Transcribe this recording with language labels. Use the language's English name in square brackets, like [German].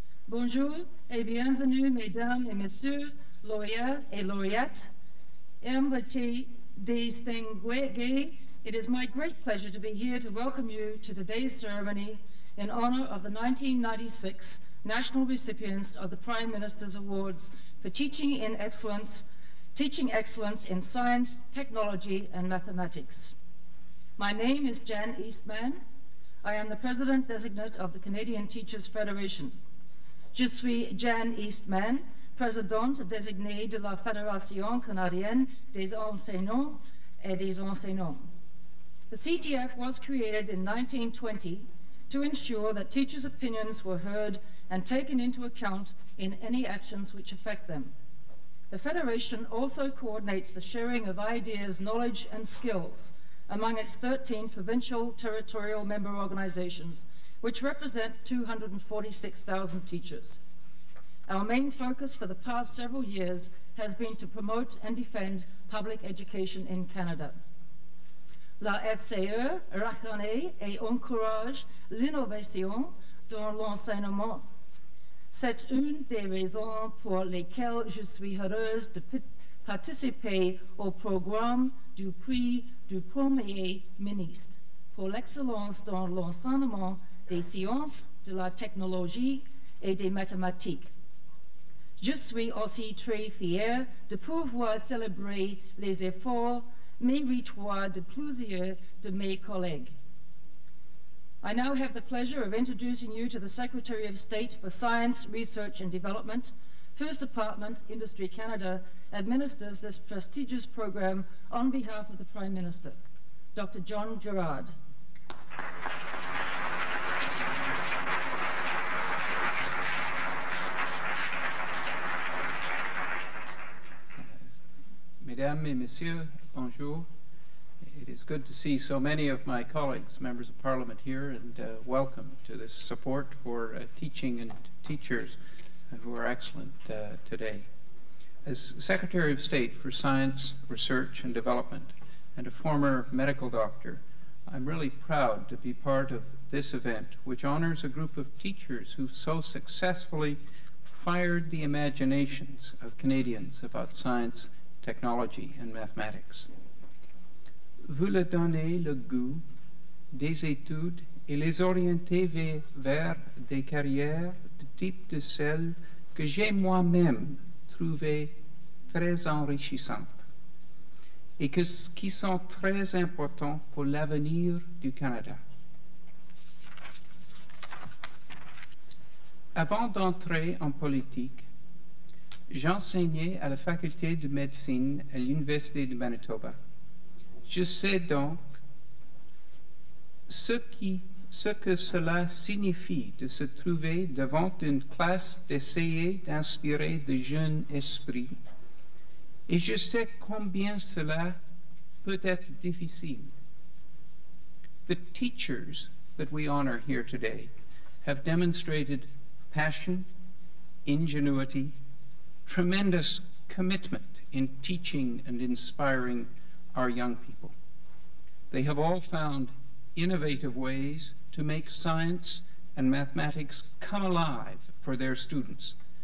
[French] Bonjour et bienvenue, mesdames et messieurs, lauréats et lauréates. [English] It is my great pleasure to be here to welcome you to today's ceremony in honor of the 1996 national recipients of the Prime Minister's Awards for Teaching Excellence in Science, Technology, and Mathematics. My name is Jan Eastman. I am the President Designate of the Canadian Teachers Federation. [French] Je suis Jan Eastman, Présidente Designée de la Fédération Canadienne des Enseignants et des Enseignants. [English] The CTF was created in 1920 to ensure that teachers' opinions were heard and taken into account in any actions which affect them. The Federation also coordinates the sharing of ideas, knowledge, and skills among its 13 provincial territorial member organizations, which represent 246,000 teachers. Our main focus for the past several years has been to promote and defend public education in Canada. [French] La FCE reconnaît et encourage l'innovation dans l'enseignement. C'est une des raisons pour lesquelles je suis heureuse de participer au programme du prix du premier ministre pour l'excellence dans l'enseignement des sciences, de la technologie et des mathématiques. Je suis aussi très fier de pouvoir célébrer les efforts méritoires de plusieurs de mes collègues. [English] I now have the pleasure of introducing you to the Secretary of State for Science, Research and Development, whose department, Industry Canada, administers this prestigious program on behalf of the Prime Minister, Dr. John Gerard. [French] Mesdames et Messieurs, bonjour. [English] It is good to see so many of my colleagues, members of Parliament here, and welcome to this support for teaching and teachers who are excellent today. As Secretary of State for Science, Research and Development, and a former medical doctor, I'm really proud to be part of this event, which honors a group of teachers who so successfully fired the imaginations of Canadians about science, technology and mathematics. [French] Vous leur donnez le goût des études et les orienter vers des carrières de type de celles que j'ai moi-même trouvées très enrichissantes et qui sont très importantes pour l'avenir du Canada. Avant d'entrer en politique, j'enseignais à la faculté de médecine à l'Université de Manitoba. Je sais donc ce que cela signifie de se trouver devant une classe d'essayer d'inspirer de jeunes esprits. Et je sais combien cela peut être difficile. [English] The teachers that we honor here today have demonstrated passion, ingenuity, tremendous commitment in teaching and inspiring our young people. They have all found innovative ways to make science and mathematics come alive for their students.